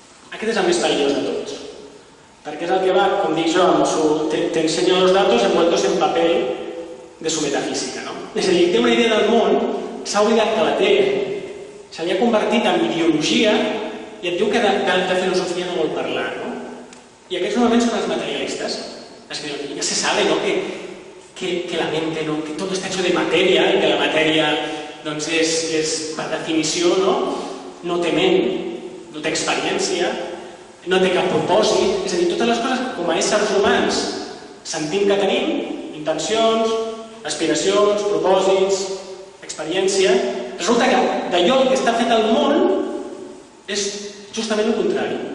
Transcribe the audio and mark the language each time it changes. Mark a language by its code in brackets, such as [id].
[ca] Aquest és el més perillós de tots, perquè és el que va, com dic jo, t'ensenyo els [es] datos envueltos [ca] en paper de su metafísica, no? És a dir, té una idea del món, s'ha oblidat que la té, se li ha convertit en ideologia i et diu que de filosofia no vol parlar, no? I aquests normalment són els materialistes, [es] las que ya se sabe, ¿no? que la mente, ¿no? Que todo está hecho de materia y que la materia es [ca] per definició, [es] ¿no? [ca] No té ment, no té experiència, no té cap propòsit. És a dir, totes les coses com a éssers humans sentim que tenim intencions, aspiracions, propòsits, experiència. Resulta que d'allò que està fet al món és justament el contrari.